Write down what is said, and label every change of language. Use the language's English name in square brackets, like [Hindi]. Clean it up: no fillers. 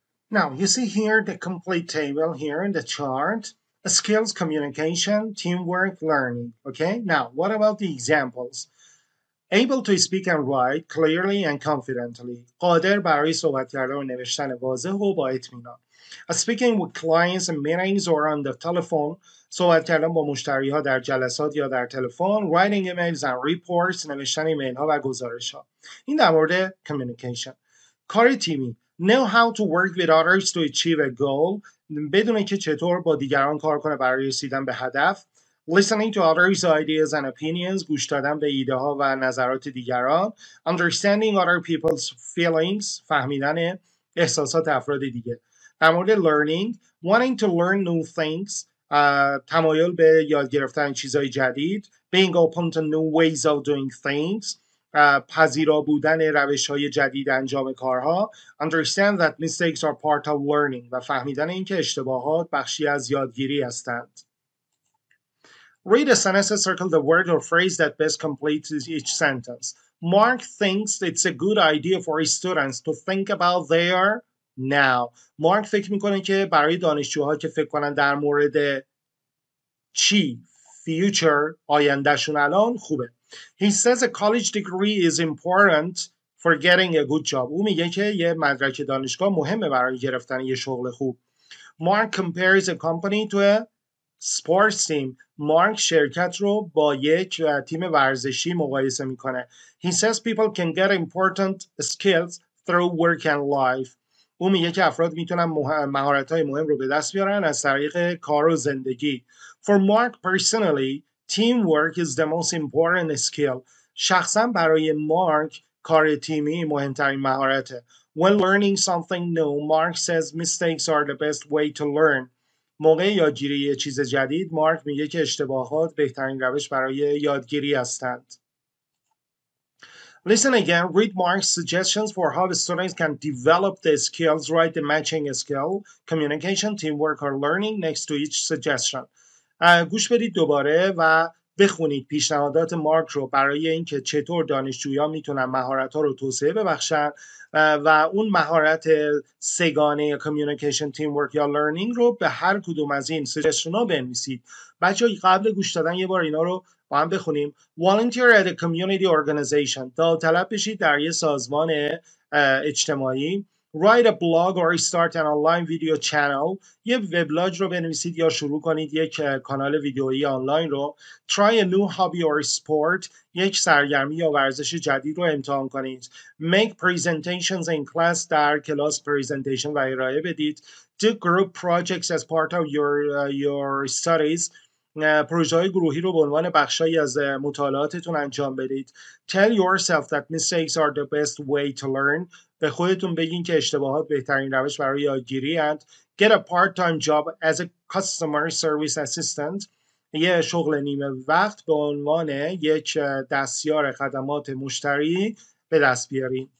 [English] Now, you see here the complete table here in the chart. Skills, communication, teamwork, learning. Okay, now, what about the examples? Able to speak and write clearly and confidently. [Persian] قادر برای صحبت کردن و نوشتن واضح و با اطمینان. [English] Speaking with clients in meetings or on the telephone. [Persian] صحبت کردن با مشتری ها در جلسات یا در تلفن. [English] Writing emails and reports. [Persian] نوشتن ایمیل ها و گزارش ها. این در مورد communication. کار تیمی. [English] Know how to work with others to achieve a goal. [Persian] بدونه که چطور با دیگران کار کنه برای رسیدن به هدف. [English] Listening to others' ideas and opinions. [Persian] گوش دادن به ایده ها و نظرات دیگران. [English] Understanding other people's feelings. [Persian] فهمیدن احساسات افراد دیگه. در مورد [English] learning. Wanting to learn new things. [Persian] تمایل به یاد گرفتن چیزهای جدید. [English] Being open to new ways of doing things. [Persian] پذیرا بودن روش‌های جدید انجام کارها. [English] Understand that mistakes are part of learning. [Persian] و فهمیدن اینکه اشتباهات بخشی از یادگیری هستند. [English] Read a sentence, circle the word or phrase that best completes each sentence. Mark thinks it's a good idea for students to think about their now. [Persian] Mark فکر میکنه که برای دانشجوها که فکر کنن در مورد چی future آیندهشون الان خوبه. [English] He says a college degree is important for getting a good job. [Persian] او میگه که یه مدرک دانشگاه مهمه برای گرفتن یه شغل خوب. [English] Mark compares a company to a sports team. [Persian] Mark شرکت رو با یک تیم ورزشی مقایسه میکنه. [English] He says people can get important skills through work and life. [Persian] او میگه که افراد میتونن مهارت‌های مهم رو به دست بیارن از طریق کار و زندگی. [English] For Mark personally, teamwork is the most important skill. [Persian] شخصا برای مارک کار تیمی مهمترین مهارته. [English] When learning something new, Mark says mistakes are the best way to learn. [Persian] موقع یادگیری یه چیز جدید، مارک میگه که اشتباهات بهترین روش برای یادگیری هستند. [English] Listen again, read Mark's suggestions for how students can develop the skills, write the matching skill, communication, teamwork, or learning next to each suggestion. [Persian] گوش بدید دوباره و بخونید پیشنهادات مارک رو برای اینکه چطور دانشجویان میتونن مهارت‌ها رو توسعه ببخشن و اون مهارت سگانه یا کمیونیکیشن، تیم ورک یا لرنینگ رو به هر کدوم از این سجشن‌ها بنویسید. بچه‌ها قبل گوش دادن یه بار اینا رو با هم بخونیم. [English] Volunteer at a community organization. [Persian] داوطلب بشید در یه سازمان اجتماعی. [English] Write a blog or start an online video channel. [Persian] یه وبلاگ رو بنویسید یا شروع کنید یک کانال ویدیویی آنلاین رو. [English] Try a new hobby or sport. [Persian] یک سرگرمی یا ورزش جدید رو امتحان کنید. [English] Make presentations in class. [Persian] در کلاس پریزنتیشن و ارائه بدید. [English] Do group projects as part of your studies. [Persian] پروژه های گروهی رو به عنوان بخشایی از مطالعاتتون انجام بدید. [English] Tell yourself that mistakes are the best way to learn. [Persian] به خودتون بگین که اشتباهات بهترین روش برای یادگیری هست. [English] Get a part-time job as a customer service assistant. [Persian] یه شغل نیمه وقت به عنوان یک دستیار خدمات مشتری به دست بیارین.